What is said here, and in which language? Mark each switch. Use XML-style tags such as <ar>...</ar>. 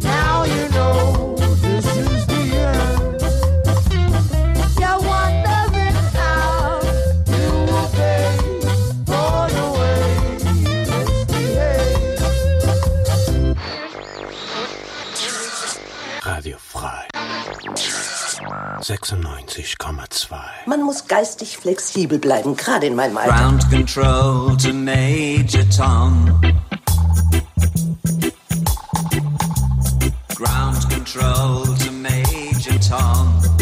<en>Now you know this is the end. You're wondering how you will pay for the way you misbehave.</en> <de>Radio Frei. 96,2. Man muss geistig flexibel bleiben, gerade in meinem Alter.</de> <en>Ground Control to Major Tom. Ground Control to Major Tom.</en>